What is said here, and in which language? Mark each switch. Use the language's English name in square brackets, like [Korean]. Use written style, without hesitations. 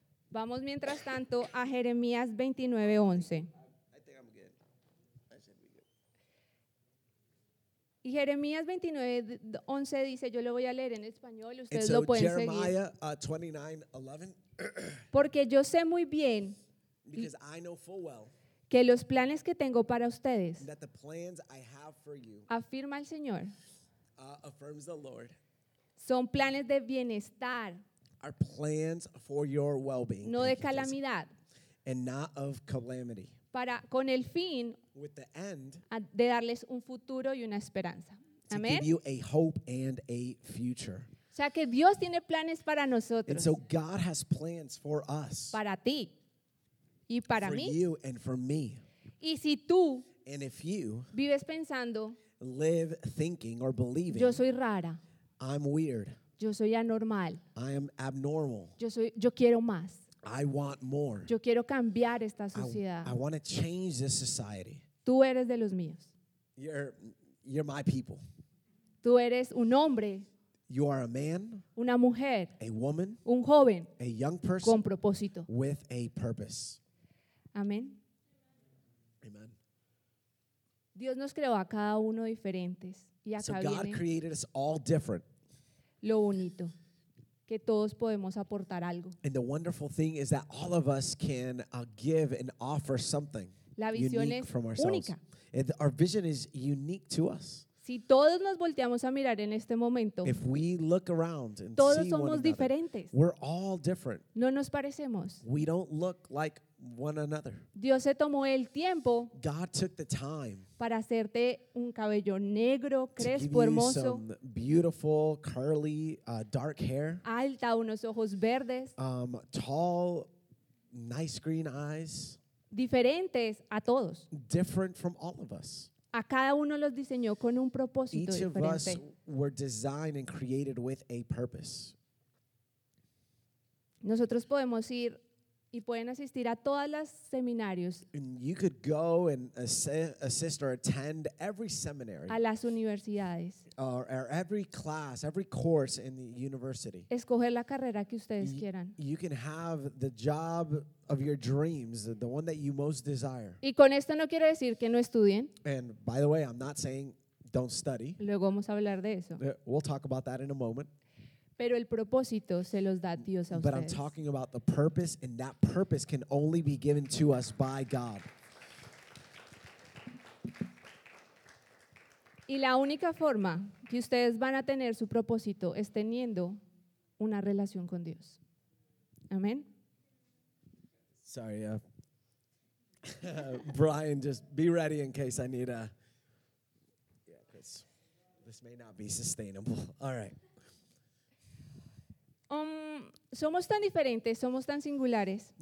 [Spanish] Vamos mientras tanto a Jeremías 29:11. Y Jeremías 29:11 dice, yo lo voy a leer en español, ustedes [English] so [Spanish] lo pueden [English] Jeremiah, [Spanish] seguir. [English] 29:11. [Spanish] Porque yo sé muy bien [English] well [Spanish] que los planes que tengo para ustedes, [English] that the plans I have for you, [Spanish] afirma el Señor, [English] affirms the Lord, [Spanish] son planes de bienestar. [English] Are plans for your well-being. [Spanish] No de calamidad. [English] And not of calamity. [Spanish] Para con el fin. [English] With the end. [Spanish] De darles un futuro y una esperanza. [English] Amen. To give you a hope and a future. [Spanish] O sea que Dios tiene planes para nosotros. [English] And so God has plans for us. [Spanish] Para ti. Y para [English] for [Spanish] mí. [English] For you and for me. [Spanish] Y si tú. [English] And if you. [Spanish] Vives pensando. [English] Live thinking or believing. [Spanish] Yo soy rara. [English] I'm weird. [Spanish] Yo soy anormal. [English] I am abnormal. [Spanish] Yo quiero más. [English] I want more. [Spanish] Yo quiero cambiar esta sociedad. [English] I want to change this society. [Spanish] Tú eres de los míos. [English] You're my people. [Spanish] Tú eres un hombre. [English] You are a man. [Spanish] Una mujer. [English] A woman. [Spanish] Un joven. [English] A young person. [Spanish] Con propósito. [English] With a purpose. [Spanish] Amén. [English] Amen. [Spanish] Dios nos creó a cada uno diferentes. Y acá [English] so God created us all different. [Spanish] Lo bonito, que todos podemos aportar algo. [English] And the wonderful thing is that all of us can give and offer something [Spanish] la visión [English] unique [Spanish] es [English] from ourselves. And our vision is unique to us. [Spanish] Si todos nos volteamos a mirar en este momento, [English] if we look around and [Spanish] todos [English] see [Spanish] somos [English] one another, [Spanish] diferentes. [English] We're all different. [Spanish] No nos parecemos. [English] We don't look like one another. [Spanish] Dios se tomó el tiempo. [English] God took the time [Spanish] para hacerte un cabello negro, crespo, hermoso. [English] To give you some beautiful, curly, dark hair. [Spanish] Alta, unos ojos verdes. [English] Tall, nice green eyes. [Spanish] Diferentes a todos. [English] Different from all of us. [Spanish] A cada uno los diseñó con un propósito [English] each [Spanish] diferente. [English] Each of us were designed and created with a purpose. [Spanish] Nosotros podemos ir Y pueden asistir a todas las seminarios. [English] And you could go and assist or attend every seminary. [Spanish] A las universidades. [English] Or every class, every course in the university. [Spanish] Escoger la carrera que ustedes quieran. [English] You can have the job of your dreams, the one that you most desire. [Spanish] Y con esto no quiero decir que no estudien. [English] And by the way, I'm not saying don't study. [Spanish] Luego vamos a hablar de eso. [English] We'll talk about that in a moment. [Spanish] Pero el propósito se los da Dios a [English] But [Spanish] ustedes. [English] I'm talking about the purpose, and that purpose can only be given to us by God. [Spanish] Y la única forma que ustedes van a tener su propósito es teniendo una relación con Dios. Amén. [English] Sorry, Brian, just be ready in case I need a... Yeah, Chris, this may not be sustainable. All right. [Spanish] Somos tan diferentes, somos tan singulares.